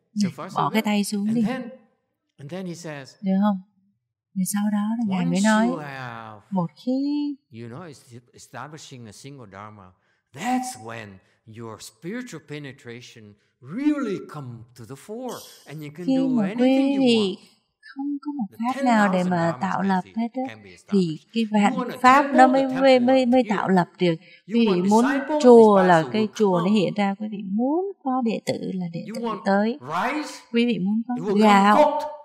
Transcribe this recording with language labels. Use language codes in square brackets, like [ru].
[en] So far, [vi] bỏ cái tay xuống đi. [en] And then he says, [vi] được không? Rồi sau đó thì ngài mới nói, một khi [en] you know, establishing a single dharma, that's when your spiritual penetration really come to the fore and you can do anything you want. [vi] Không có một pháp nào để mà tạo lập hết á, thì cái vạn pháp nó mới tạo lập được. Quý vị muốn chùa là cái chùa nó hiện ra, quý vị muốn có đệ tử là đệ tử tới, quý vị muốn có gạo